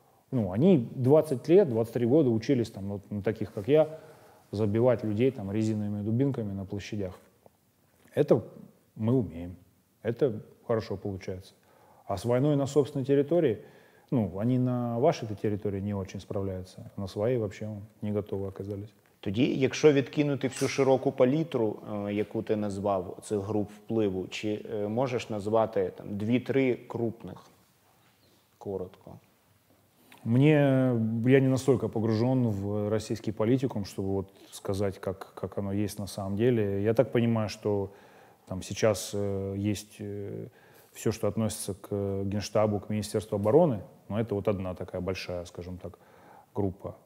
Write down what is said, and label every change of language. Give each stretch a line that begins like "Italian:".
Russian: Ну, они 20 лет, 23 года учились там, вот, на таких, как я, забивать людей там резиновыми дубинками на площадях. Это мы умеем. Это хорошо получается. А с войной на собственной территории, ну, они на вашей территории не очень справляются, на своей вообще не готовы оказались.
Ukrainian: Тоді, якщо відкинути всю широку палітру, яку ти назвав цих груп впливу, чи можеш назвати там 2-3 крупних коротко?
Russian: Мне, я не настолько погружен в российский политикум, чтобы вот сказать, как оно есть на самом деле. Я так понимаю, что там сейчас есть все, что относится к Генштабу, к Министерству обороны, но это вот одна такая большая, скажем так, группа.